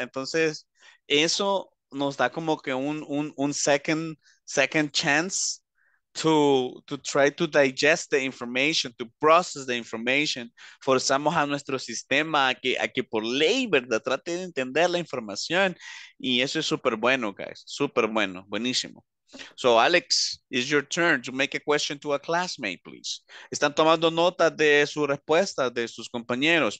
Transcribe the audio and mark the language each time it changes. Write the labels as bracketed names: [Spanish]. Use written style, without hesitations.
[Spanish] Entonces, eso nos da como que un [English] second chance to try to digest the information, to process the information. [Spanish] Forzamos a nuestro sistema a que por ley, ¿verdad?, trate de entender la información. Y eso es súper bueno, guys. Súper bueno. Buenísimo. [English] So, Alex, it's your turn to make a question to a classmate, please. [Spanish] ¿Están tomando nota de su respuesta, de sus compañeros?